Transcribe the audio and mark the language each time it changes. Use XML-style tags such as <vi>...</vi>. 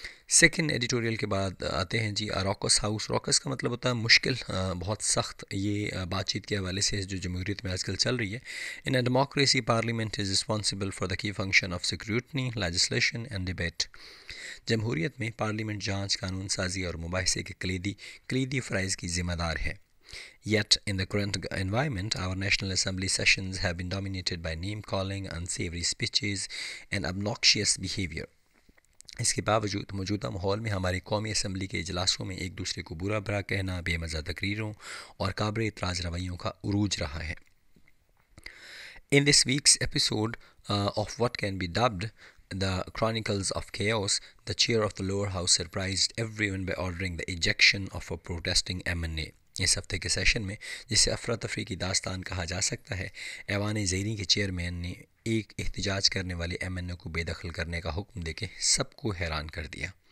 <ur>Second editorial کے بعد آتے ہیں جی اراکس ہاؤس. اراکس کا مطلب ہوتا ہے مشکل, بہت سخت. یہ بات چیت کے حوالے سے جو جمہوریت میں آج کل چل رہی ہے.</ur> <en>In a democracy parliament is responsible for the key function of scrutiny legislation and debate.</en> <ur>جمہوریت میں پارلیمنٹ جانچ قانون سازی اور مباحثے کے کلیدی فرائض کی ذمہ دار ہے.</ur> <en>Yet in the current environment our national assembly sessions have been dominated by name calling, unsavory speeches and obnoxious behavior.</en> <ur>اس کے باوجود موجودہ ماحول میں ہماری قومی اسمبلی کے اجلاسوں میں ایک دوسرے کو برا برا کہنا, بے مزہ تقریروں اور قابل اعتراض رویوں کا عروج رہا ہے.</ur> <en>In this week's episode of what can be dubbed the chronicles of chaos, the chair of the lower house surprised everyone by ordering the ejection of a protesting MNA.</en> <ur>اس ہفتے کے سیشن میں, جسے افراتفری کی داستان کہا جا سکتا ہے, ایوان زیریں کے چیئرمین نے ایک احتجاج کرنے والے ایم این اے کو بے دخل کرنے کا حکم دے کے سب کو حیران کر دیا.</ur>